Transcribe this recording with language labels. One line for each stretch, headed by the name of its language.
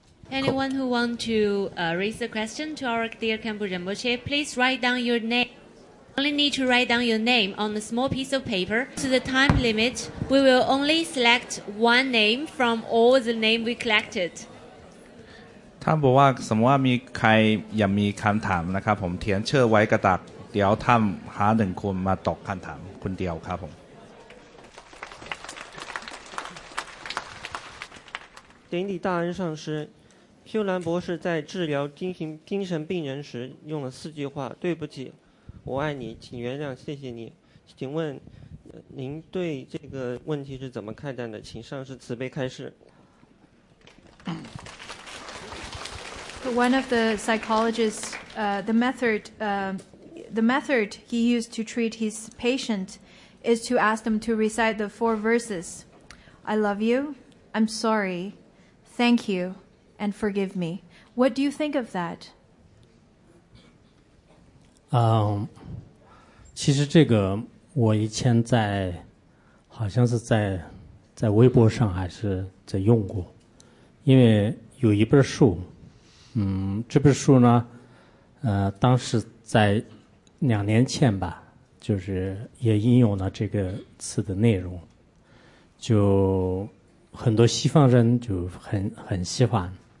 English: Anyone who want to raise a question to our dear Khenpo Rinpoche, please write down your name. You only need to write down your name on a small piece of paper. To the time limit, we will only select one name from all the names we collected.
Thai: ท่านบอกว่าสมมติว่ามีใครยังมีคำถามนะครับผมเทียนเชื่อไว้กระดาษเดี๋ยวท่านหาหนึ่งคนมาตอบคำถามคนเดียวครับผม
Chinese: 顶礼大恩上师修兰博士在治疗精神病人时用了四句话：对不起，我爱你，请原谅，谢谢你。请问您对这个问题是怎么看待的？请上师慈悲开示。
English: One of the psychologists, the method he used to treat his patient is to ask them to recite the four verses. I love you, I'm sorry, thank you, and forgive me. What do you think of that?
Chinese: 其实这个我以前在好像是在微博上还是在用过，因为有一本书，这本书呢，当时在两年前吧，就是也应用了这个词的内容，就很多西方人就很喜欢。